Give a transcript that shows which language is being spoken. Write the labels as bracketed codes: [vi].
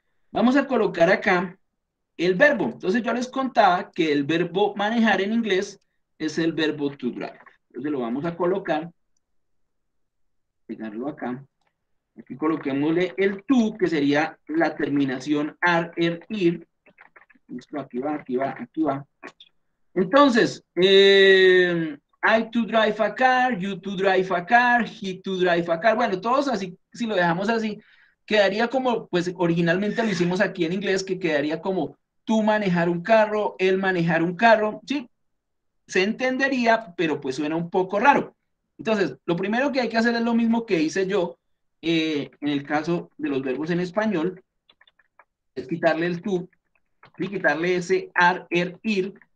[es] Vamos a colocar acá el verbo. Entonces, yo les contaba que el verbo manejar en inglés es el verbo to drive. Entonces, lo vamos a colocar. Pegarlo acá. Aquí coloquémosle el to, que sería la terminación ar, er, ir. Listo, aquí va, aquí va, aquí va. Entonces, [en] I to drive a car, you to drive a car, he to drive a car. [es] Bueno, todos así, si lo dejamos así, quedaría como, pues originalmente lo hicimos aquí en inglés, que quedaría como tú manejar un carro, él manejar un carro. Sí, se entendería, pero pues suena un poco raro. Entonces, lo primero que hay que hacer es lo mismo que hice yo en el caso de los verbos en español, es quitarle el tú y quitarle ese ar, er, ir.